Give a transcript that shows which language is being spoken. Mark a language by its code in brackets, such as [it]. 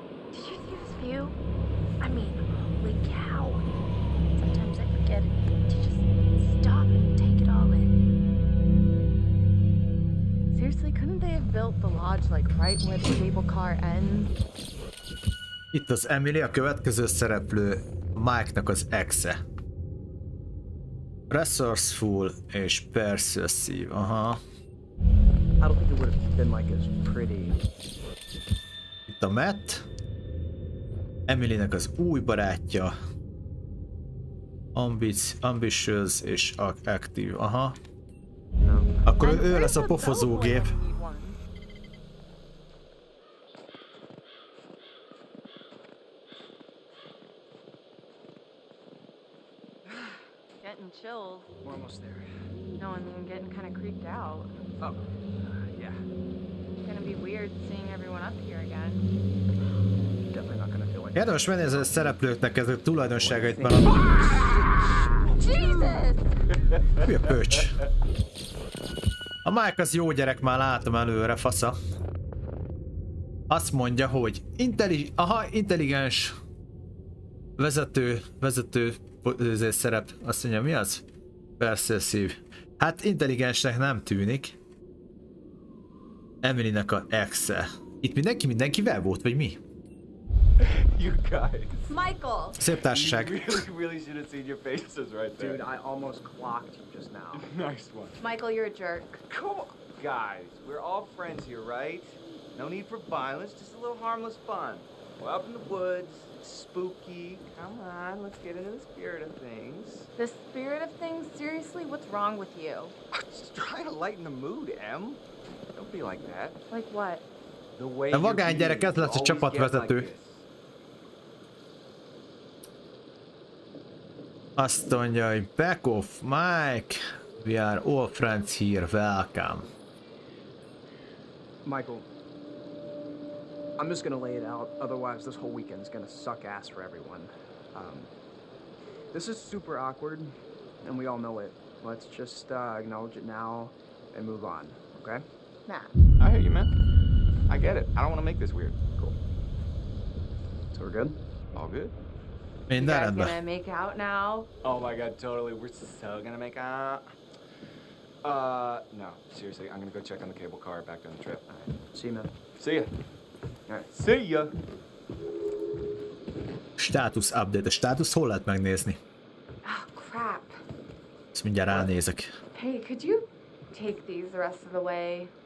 [en] Did you see this view? I mean, holy cow. Sometimes I forget to just stop and take it all in. Seriously, couldn't they have built the lodge like right where the cable car ends? [hu] Itt az Emily, a következő szereplő, Mike-nak az exe. Resourceful és persuasive, aha. [en] I don't think it would have been like as pretty. [hu] Itt a Matt. Emilynek az új barátja. Ambitious és active, aha. Akkor ő lesz a pofozógép. [en] Getting chills. We're almost there. No, I mean, getting kind of creeped out. Oh, yeah. It's gonna be weird seeing everyone up here again. [hu] Érdemes menni ezzel a szereplőknek ezek a tulajdonságait, mert Jesus! Mi a pöcs? A Mike az jó gyerek, már látom előre, fasza. Azt mondja, hogy intelligens vezető szerep. Azt mondja, mi az? Persuasive. Hát intelligensnek nem tűnik. Emilynek a ex-e. Itt mindenki volt, vagy mi? [en] You guys. Michael. [hu] Szép társaság. [en] You really should have seen your faces right there. Dude, I almost clocked you just now. Nice one. Michael, you're a jerk. Come on. Guys, we're all friends here, right? No need for violence, just a little harmless fun. We're up in the woods, spooky. Come on, let's get into the spirit of things. The spirit of things? Seriously, what's wrong with you? I'm just trying to lighten the mood, Em. Don't be like that. Like what? The way you're being, you always get like this. [hu] A vagány gyerek, ez lesz a csapatvezető. Azt mondja, hogy [en] back off, Mike, we are all friends here, welcome. Michael, I'm just gonna lay it out, otherwise this whole weekend is gonna suck ass for everyone. This is super awkward, and we all know it. Let's just acknowledge it now and move on, okay? Matt. I hear you, man. I get it. I don't wanna make this weird. Cool. So we're good? All good. Mind you guys gonna make out now? Oh my god, totally. We're so gonna make out. No. Seriously, I'm gonna go check on the cable car back down the trip. Right. See you, man. See ya. Alright. See ya! Status update. [hu] A status hol lehet megnézni? [en] Oh, crap. [hu] Ezt mindjárt ránézek. [en] Hey, could you take these the rest of the way?